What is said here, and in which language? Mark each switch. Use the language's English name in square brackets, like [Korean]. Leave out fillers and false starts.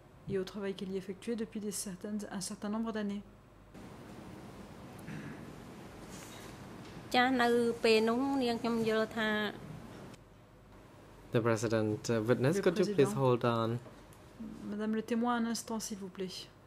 [French] Et au travail qu'elle y effectuait depuis un certain nombre d'années. [English] The President, witness, could you please hold on? [French] Madame le témoin, un instant, s'il vous plaît.